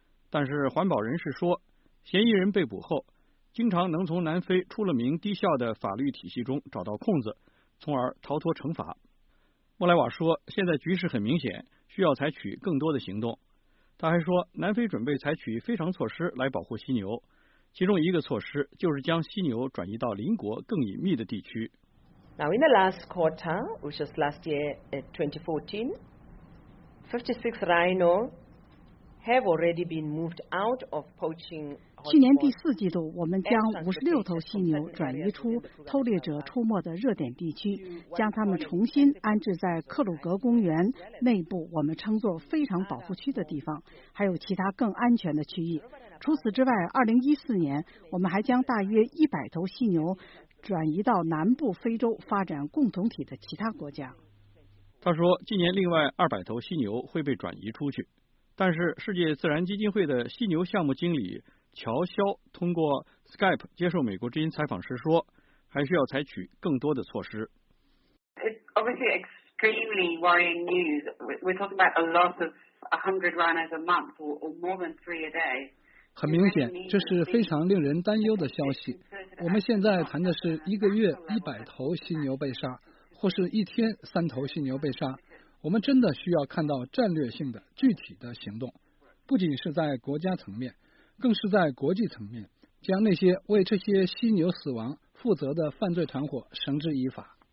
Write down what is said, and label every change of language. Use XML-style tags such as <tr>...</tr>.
<zh>但是环保人士说，嫌疑人被捕后经常能从南非出了名低效的法律体系中找到空子，从而逃脱惩罚。莫莱瓦说，现在局势很明显，需要采取更多的行动。他还说，南非准备采取非常措施来保护犀牛，其中一个措施就是将犀牛转移到邻国更隐秘的地区。</zh> <en>Now in the last quarter, which was last year, 2014, 56 rhino have already been moved out of poaching.</en> <zh>去年第四季度，我们将56头犀牛转移出偷猎者出没的热点地区，将它们重新安置在克鲁格公园内部，我们称作非常保护区的地方，还有其他更安全的区域。除此之外，2014年，我们还将大约100头犀牛转移到南部非洲发展共同体的其他国家。他说，今年另外200头犀牛会被转移出去，但是世界自然基金会的犀牛项目经理乔肖通过 Skype 接受美国之音采访时说，还需要采取更多的措施。</zh> <en>It's obviously extremely worrying news. We're talking about a loss of 100 rhinos a month, or more than three a day.</en> <zh>很明显，这是非常令人担忧的消息。我们现在谈的是一个月100头犀牛被杀，或是一天3头犀牛被杀。我们真的需要看到战略性的、具体的行动，不仅是在国家层面，更是在国际层面，将那些为这些犀牛死亡负责的犯罪团伙绳之以法。</zh>